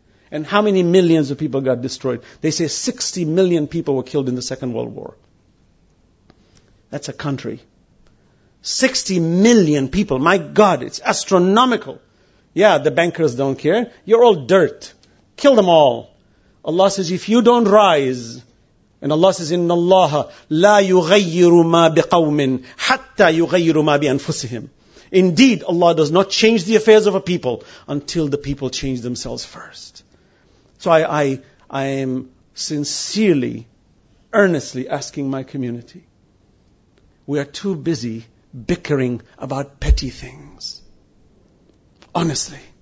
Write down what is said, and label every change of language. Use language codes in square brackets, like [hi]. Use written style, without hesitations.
[en] And how many millions of people got destroyed? They say 60 million people were killed in the Second World War. That's a country. 60 million people. My God, it's astronomical. Yeah, the bankers don't care. You're all dirt. Kill them all. Allah says, if you don't rise, and Allah says, [ar] إِنَّ اللَّهَ لَا يُغَيِّرُ مَا بِقَوْمٍ حَتَّى يُغَيِّرُ مَا بِأَنفُسِهِمْ. [en] Indeed, Allah does not change the affairs of a people until the people change themselves first. So I am sincerely, earnestly asking my community. We are too busy bickering about petty things. Honestly.